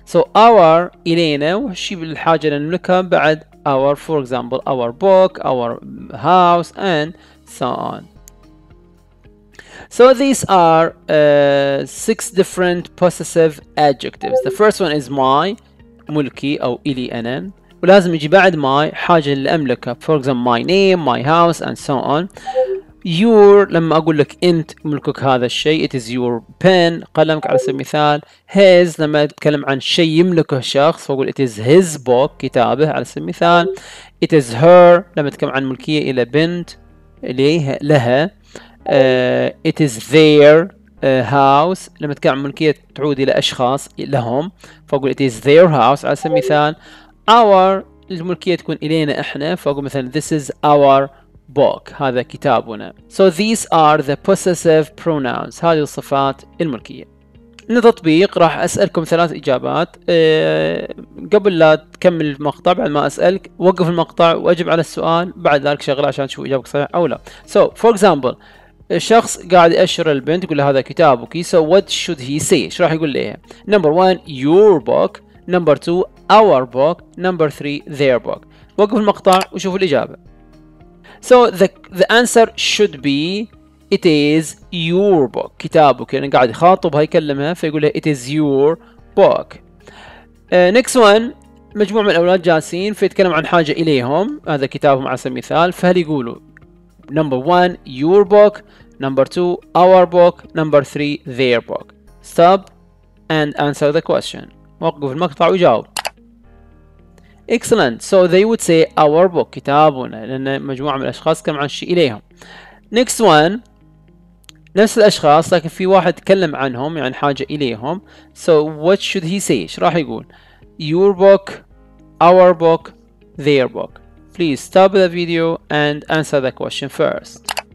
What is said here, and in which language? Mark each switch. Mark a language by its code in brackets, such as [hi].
[en] So our, [ar] إلينا, وشي بالحاجة لنملكها, بعد [en] our, for example our book, our house, and so on. So these are six different possessive adjectives. The first one is my, [ar] ملكي أو إلي أنا. ولازم يجي بعد my حاجة اللي أملكها. [en] For example, my name, my house, and so on. [ar] Your, لما أقول لك أنت ملكك هذا الشيء, [en] it is your pen, [ar] قلمك على سبيل المثال. His, لما أتكلم عن شيء يملكه شخص, فأقول [en] it is his book, [ar] كتابه على سبيل المثال. [en] It is her, [ar] لما أتكلم عن ملكية إلى بنت, إليها, لها. [en] It is their house, [ar] لما أتكلم عن ملكية تعود إلى أشخاص, لهم, فأقول [en] it is their house, [ar] على سبيل المثال. Our, الملكية تكون إلينا إحنا, فأقول مثلا [en] this is our book, [ar] هذا كتابنا. [en] So these are the possessive pronouns, [ar] هذه الصفات الملكية. لتطبيق راح أسألكم ثلاث إجابات. قبل لا تكمل المقطع, بعد ما أسألك وقف المقطع وأجب على السؤال, بعد ذلك شغل عشان تشوف إجابك صحيح أو لا. [en] So for example, [ar] الشخص قاعد يأشر البنت يقول هذا كتابك. [en] So what should he say, [ar] شو راح يقول لها؟ [en] Number one, your book. Number two, our book. Number three, their book. [ar] وقف المقطع وشوف الإجابة. [en] So the answer should be, it is your book, كتابك. [ar] يعني قاعد يخاطب هاي يكلمها, فيقول لها [en] it is your book. Next one, [ar] مجموعة من الأولاد جالسين فيتكلم عن حاجة إليهم, هذا كتابهم على سبيل المثال. فهل يقولوا [en] number one your book, number two our book, number three their book. Stop and answer the question. [ar] وقف المقطع وجاوب. [en] Excellent. So they would say our book, [ar] كتابنا, لأن مجموعة من الأشخاص كم عن شيء إليهم. [en] Next one, [ar] نفس الأشخاص لكن في واحد تكلم عنهم, يعني حاجة إليهم. [en] So what should he say, [ar] إيش راح يقول؟ [en] Your book, our book, their book. Please stop the video and answer the question first.